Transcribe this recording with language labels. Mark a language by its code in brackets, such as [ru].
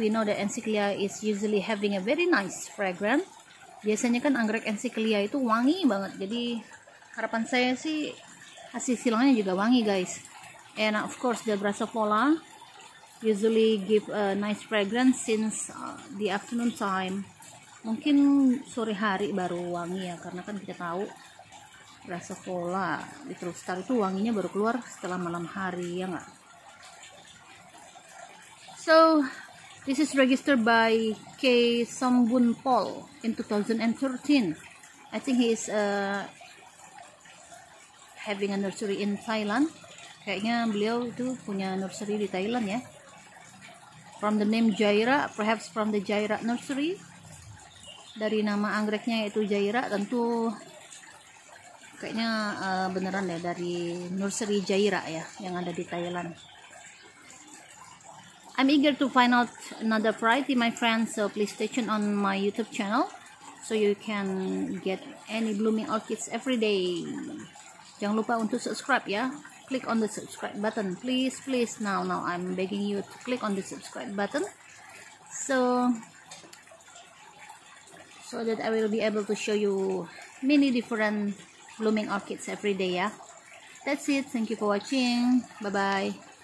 [en] We know that Encyclia is usually having a very nice fragrance. [id] Biasanya kan anggrek Encyclia itu wangi banget, jadi harapan saya sih hasil silangnya juga wangi guys. [en] And of course the Brassicola usually give a nice fragrance since the afternoon time. [id] Mungkin sore hari baru wangi ya, karena kan kita tahu Brassicola little star itu wanginya baru keluar setelah malam hari ya nggak. [en] So this is registered by K. Sombun Pol in 2013. I think he is having a nursery in Thailand. [id] Kayaknya beliau itu punya nursery di Thailand ya. [en] From the name Gyra, perhaps from the Gyra nursery. [id] dari nama anggreknya yaitu Jaira, tentu kayaknya beneran ya dari nursery Jaira ya yang ada di Thailand. [en] I'm eager to find out another variety, my friend, so please stay tuned on my YouTube channel so you can get any blooming orchids every day. [id] Jangan lupa untuk subscribe ya. [en] Click on the subscribe button, please, please. Now I'm begging you to click on the subscribe button so that I will be able to show you many different blooming orchids every day, yeah. That's it. Thank you for watching. Bye-bye.